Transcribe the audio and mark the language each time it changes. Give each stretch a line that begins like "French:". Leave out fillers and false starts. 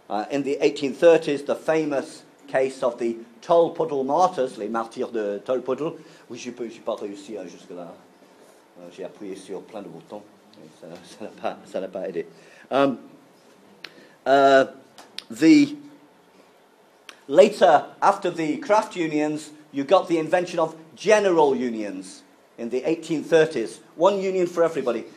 English: In the 1830s, the famous case of the Tolpuddle Martyrs,
French: les martyrs de Tolpuddle. Oui, je n'ai pas réussi jusque-là. J'ai appuyé sur plein de boutons. Ça n'a pas aidé.
English: The later, after the craft unions, you got the invention of general unions in the 1830s. One union for everybody.